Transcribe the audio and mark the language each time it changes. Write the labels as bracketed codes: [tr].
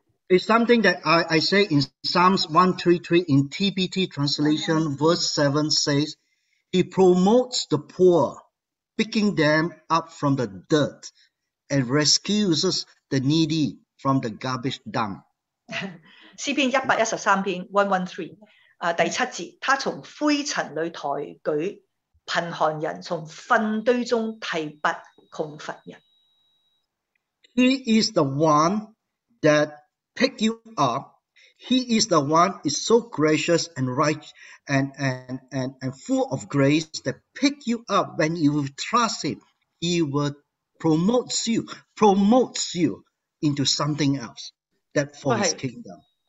[en] It's something that I say in Psalms 133 in TBT translation, verse 7 says, He promotes the poor, picking them up from the dirt, and rescues the needy from the garbage dump. [zh] 诗篇113篇 113第7节，他从灰尘里抬举贫寒人，从粪堆中提拔穷乏人。 [en] He is the one that pick you up. He is the one is so gracious and right and full of grace that pick you up when you trust him. He will promotes you into something else that for his kingdom.